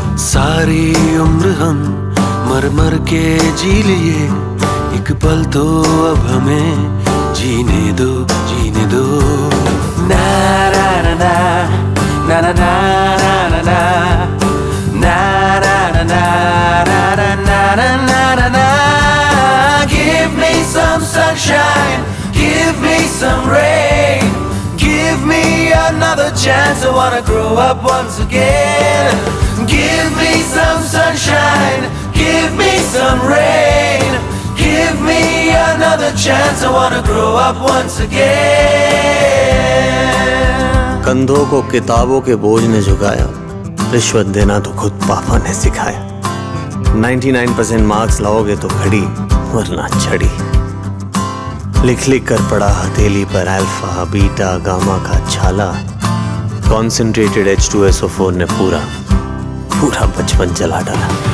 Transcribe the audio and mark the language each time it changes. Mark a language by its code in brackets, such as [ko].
[hi] सारी उम्र हम मर मर के जी लिए, एक पल तो अब हमें जीने दो, जीने दो। ना ना ना ना ना ना ना ना ना ना ना ना ना ना ना ना ना ना ना ना ना ना। [en] Give me some sunshine, give me some rain, give me another chance, I wanna grow up once again. Give me some sunshine, give me some rain, give me another chance, I wanna grow up once again. [hi] कंधों को किताबों के बोझ ने झुकाया, रिश्वत देना तो खुद पापा ने सिखाया। 99% मार्क्स लाओगे तो घड़ी, वरना छड़ी। लिख लिख कर पड़ा हथेली पर अल्फा बीटा गामा का छाला, कॉन्सेंट्रेटेड H2SO4 ने पूरा पूरा बचपन जला डाला।